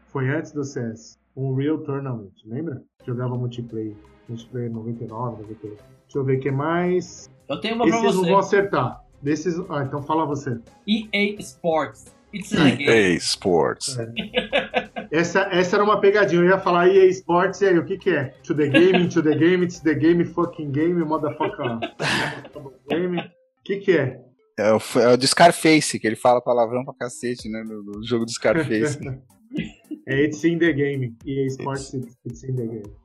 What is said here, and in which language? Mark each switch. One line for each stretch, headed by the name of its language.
Portuguese: Foi antes do CS. Um Real Tournament, lembra? Jogava multiplayer. Multiplayer 99, 98. Deixa eu ver o que mais. Eu tenho uma pra você. Não vou acertar. Desses. Ah, então fala você.
English: EA Sports. It's EA game. Sports.
Portuguese: É. Essa era uma pegadinha. Eu ia falar EA Sports, e aí, o que que é?
English: To the game, to the game, it's the game, fucking game, motherfucker.
Portuguese: Game. O que que é? É o do Scarface, que ele fala palavrão pra cacete, né, no jogo do Scarface. É
English: It's in the Game, EA Sports, it's in the Game.